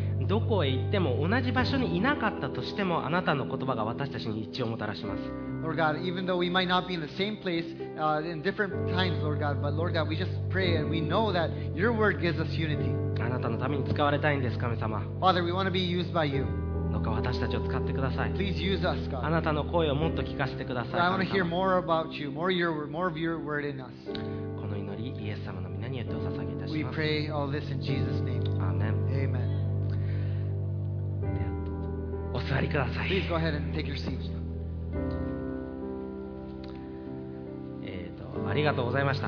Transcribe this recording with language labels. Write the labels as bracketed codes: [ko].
[ja] どこへ行っても同じ場所にいなかったとしてもあなたの言葉が私たちに一致をもたらします。 [en] Lord God, even though we might not be in the same place, in different times, Lord God, but Lord God, we just pray and we know that your word gives us unity. [ja] あなたのために使われたいんです、神様。 [en] Father, we want to be used by you. [ja] どうか私たちを使ってください。 [en] Please use us, God. [ja] あなたの声をもっと聞かせてください。 [en] I want to hear more about you, more of your word in us. [ja] この祈り、イエス様の名によってお捧げいたします。 [en] We pray all this in Jesus' name. Amen. Amen. [ja] お座りください。 [en] Please go ahead and take your seat. [ja] ありがとうございました。